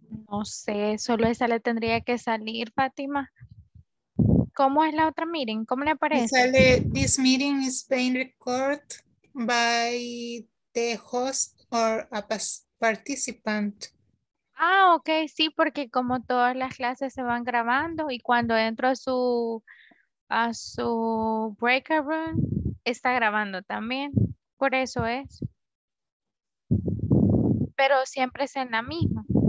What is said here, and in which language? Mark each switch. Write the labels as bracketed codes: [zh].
[es] No sé, solo esa le tendría que salir, Fátima. ¿Cómo es la otra meeting? ¿Cómo le aparece? [en] Sale, this meeting is being recorded by the host or a participant. [es] Ah, ok, sí, porque como todas las clases se van grabando y cuando entro a su breaker room está grabando también, por eso es, pero siempre es en la misma.